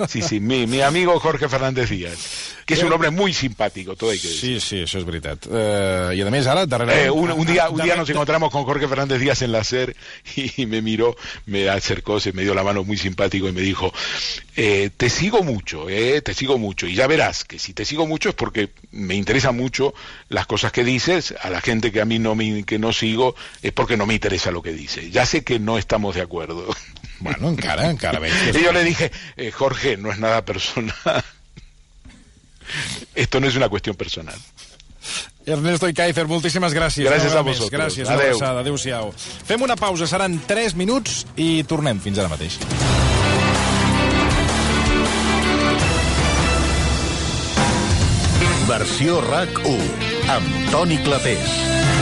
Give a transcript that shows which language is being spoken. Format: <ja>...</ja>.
<es>Mi amigo</es> <ca>Jorge Fernández Díaz, que és un home molt simpàtic, tot això. Sí, sí, això és veritat. I a més ara darrere</ca> <es>un dia nos encontramos con Jorge Fernández Díaz en la SER y me miró, me acercó, se me dio la mano muy simpático y me dijo: "Te sigo mucho y ya verás que si te sigo mucho es porque me interesa mucho las cosas que dices, a la gente que a mí no sigo es porque no me interesa lo que dice. Ya sé que no estamos de acuerdo."</es> <ca>Bueno, encara veig.</ca> <es>Y yo le dije: Jorge, no es nada personal. Esto no es una cuestión personal.</es> <ca>Ernesto i Kaiser, moltíssimes gràcies. Gràcies a vosaltres. Gràcies, una abraçada. Adéu-siau. Fem una pausa, seran 3 minuts i tornem fins ara mateix. Versió RAC 1 amb Toni Clapés.</ca>